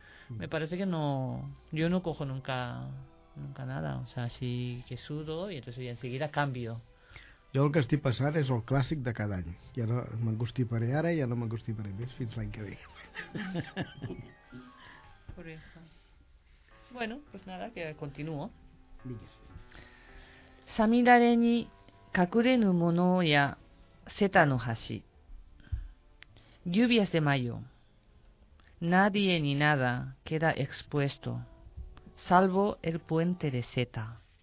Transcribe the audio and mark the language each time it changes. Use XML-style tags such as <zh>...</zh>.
<es>Me parece que no, yo no cojo nunca nada, o sea, así que sudo y entonces ya enseguida cambio.</es> <ca>Jo el que estic passant és el clàssic de cada any. Ja no m'engustiparé ara, ja no m'engustiparé més fins l'any que ve.</ca> <es>Bueno, pues nada, que continuo.</es> <ja>Sa midare ni kakure nu mono ya seta no hashi.</ja> <es>Lluvias de mayo. Nadie ni nada queda expuesto, salvo el puente de seta.</es>